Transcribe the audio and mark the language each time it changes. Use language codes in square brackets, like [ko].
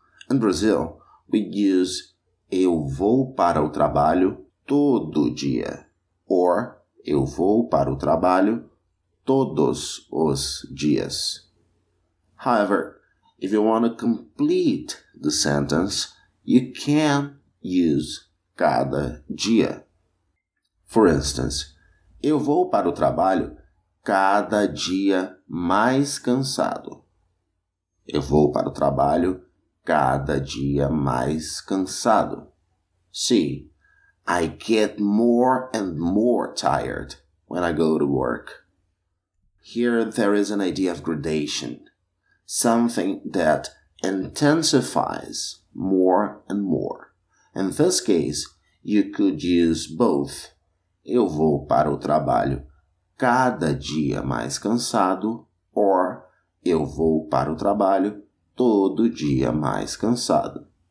[en] In Brazil, we use [pt] eu vou para o trabalho todo dia. Or, eu vou para o trabalho todos os dias. [en] However, if you want to complete the sentence, you can use [pt] cada dia. [en] For instance, [pt] eu vou para o trabalho cada dia mais cansado. Eu vou para o trabalho cada dia mais cansado. [en] See, I get more and more tired when I go to work. Here there is an idea of gradation, something that intensifies more and more. In this case, you could use both. [pt] Eu vou para o trabalho cada dia mais cansado, or eu vou para o trabalho todo dia mais cansado.